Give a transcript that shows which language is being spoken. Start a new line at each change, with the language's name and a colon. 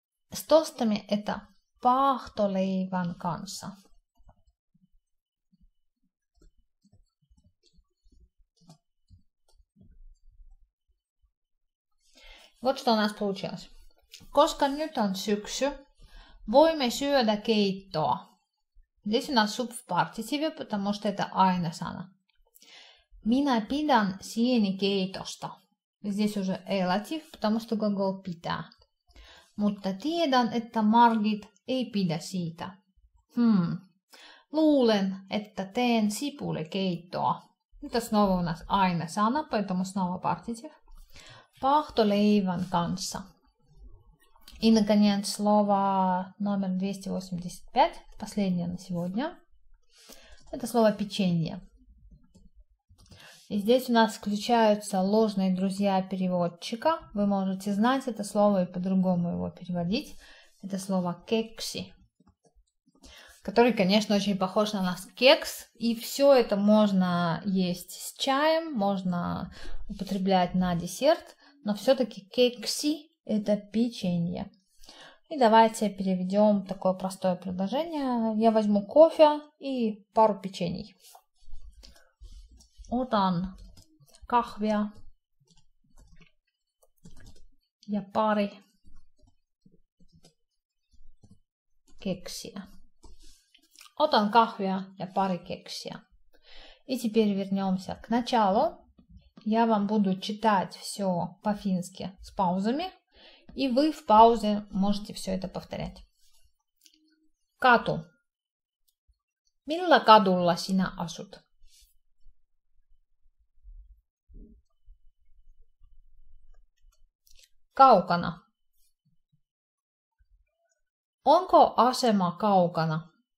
Russian: С тостами это
Finnish: пахтолейван канса.
Russian: Вот что у нас получилось.
Finnish: Koska nyt on syksy, voimme syödä keittoa.
Russian: Здесь у нас суп в партитиве, потому что это aina sana.
Finnish: Minä pidän sienikeitosta.
Russian: Здесь уже элатив, потому что глагол pitää.
Finnish: Mutta tiedän, että Margit ei pidä siitä. Luulen, että teen sipulikeittoa.
Russian: Это снова у нас aina sana, поэтому снова партитив.
Finnish: Пахтолейван kanssa.
Russian: И, наконец, слово номер 285, последнее на сегодня. Это слово печенье. И здесь у нас включаются ложные друзья переводчика. Вы можете знать это слово и по-другому его переводить. Это слово кекси, который, конечно, очень похож на наш кекс. И все это можно есть с чаем, можно употреблять на десерт. Но все-таки кекси – это печенье. И давайте переведем такое простое предложение. Я возьму кофе и пару печений.
Finnish: Otan kahvia ja pari keksiä. Otan kahvia ja pari keksiä.
Russian: И теперь вернемся к началу. Я вам буду читать все по-фински с паузами. И вы в паузе можете все это повторять.
Finnish: Кату. Millä kadulla sinä asut? Kaukana. Onko asema kaukana?